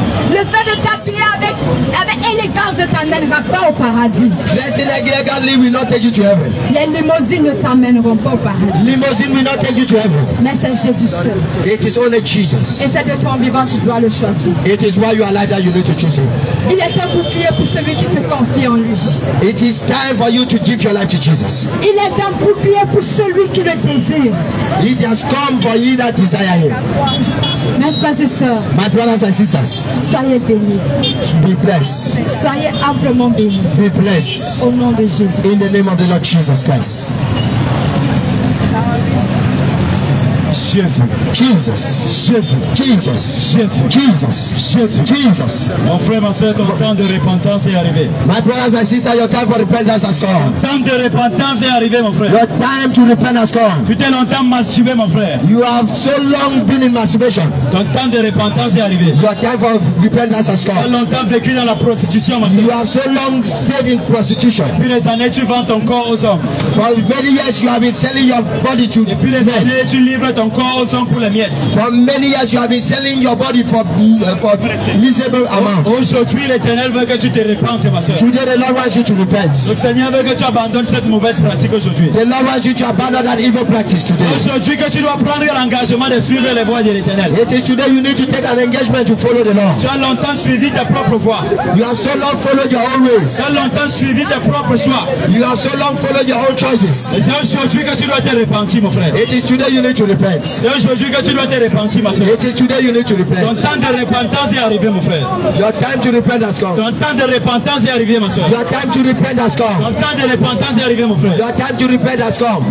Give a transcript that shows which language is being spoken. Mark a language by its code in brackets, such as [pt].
[fr] Le fait de t'appuyer avec élégance ne t'amènera pas au paradis. [en] Dressing elegantly will not take you to heaven. [fr] Les limousines ne t'amèneront pas au paradis. [en] Limousine will not take you to heaven. [fr] Mais c'est Jésus seul. [en] It is only Jesus. [fr] Et c'est de ton vivant tu dois le choisir. [en] It is why you are alive that you need to choose him. [fr] Il est temps pour prier pour celui qui se confie en lui. [en] It is time for you to give your life to Jesus. [fr] Il est temps pour prier pour celui qui le désire. [en] He has come for you that desire him. [fr] Mes frères et sœurs, [en] my brothers and sisters, [fr] soyez bénis. [en] Be blessed. [fr] Soyez amplement bénis. [en] Be blessed. [fr] Au nom de Jésus. [en] In the name of the Lord Jesus Christ. Jesus. [fr] Mon frère, ma soeur, ton temps de repentance est arrivé. [en] My brothers, my sisters, your time for repentance has come. [fr] Temps de repentance est arrivé, mon frère. [en] Your time to repent has come. [fr] Tu t'es longtemps masturbé, mon frère. [en] You have so long been in masturbation. [fr] Ton temps de repentance est arrivé. [en] Your time for repentance has come. [fr] Tu as longtemps vécu dans la prostitution, mon frère. [en] You have so long stayed in prostitution. [fr] Depuis des années, tu vends ton corps aux hommes. [en] For many years, you have been selling your body to men. [fr] Depuis des années, tu livres ton corps. [en] For many years you have been selling your body for miserable amounts. [fr] Aujourd'hui l'Éternel veut que tu te repentes, ma soeur. [en] Today the Lord wants you to repent. [fr] Le Seigneur veut que tu abandonnes cette mauvaise pratique aujourd'hui. [en] The Lord wants you to abandon that evil practice today. [fr] Aujourd'hui que tu dois prendre l'engagement de suivre les voies de l'Éternel. [en] It is today you need to take an engagement to follow the Lord. [fr] Tu as longtemps suivi ta propre voie. [en] You have so long followed your own ways. [fr] Tu as longtemps suivi tes propres choix. [en] You have so long followed your own choices. [fr] Et c'est aujourd'hui que tu dois te repentir, mon frère. [en] It is today you need to repent. [fr] C'est aujourd'hui que tu dois te repentir, ma soeur. [en] It is today you need to repent. [fr] Ton temps de repentance est arrivé, mon frère. [en] Your time to repent has come. [fr] Ton temps de repentance est arrivé, ma soeur. [en] Your time to repent has come. [fr] Ton temps de repentance est arrivé, mon frère. [en] Your time to repent has come.